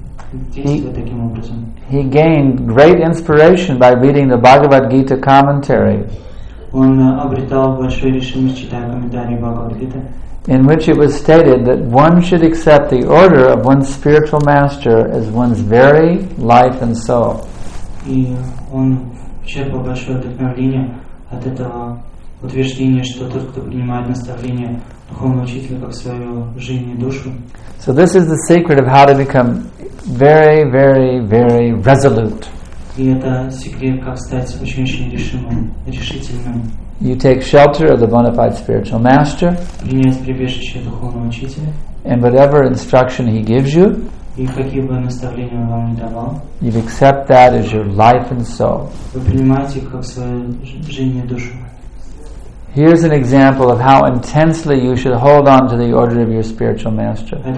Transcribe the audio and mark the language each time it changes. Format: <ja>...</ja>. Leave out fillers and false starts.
<en>He gained great inspiration by reading the Bhagavad Gita commentary, in which it was stated that one should accept the order of one's spiritual master as one's very life and soul.</en> <ru>И он черпал большое вдохновение от этого утверждения, что тот, кто принимает наставление духовного учителя как свою жизнь и душу.</ru> <en>So this is the secret of how to become very, very, very resolute.</en> <ru>И это секрет, как стать очень-очень решительным.</ru> <en>You take shelter of the bona fide spiritual master.</en> <ru>Принять прибежище духовного учителя.</ru> <en>And whatever instruction he gives you,</en> <ru>и какие бы наставления он вам не давал,</ru> <en>you accept that as your life and soul.</en> <ru>Вы принимаете их как свою жизнь и душу.</ru> <en>Here's an example of how intensely you should hold on to the order of your spiritual master.</en>